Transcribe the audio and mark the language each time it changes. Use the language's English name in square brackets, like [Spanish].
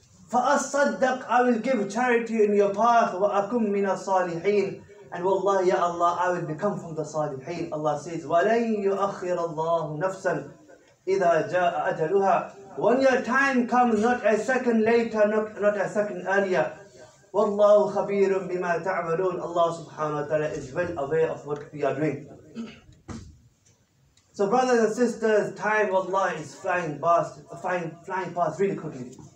[Arabic] فأصدق, [English] I will give charity in your path. [Arabic] وأكم من الصالحين. [English] And wallahi, ya Allah, I will become from the صالحين. Allah says, [Arabic] ولن يؤخر الله نفسا إذا جاء أجلها. [English] When your time comes, not a second later, not a second earlier. [Arabic] والله خبير بما تعملون. [English] Allah subhanahu wa ta'ala is well aware of what we are doing. So brothers and sisters, time, wallahi, is flying past really quickly.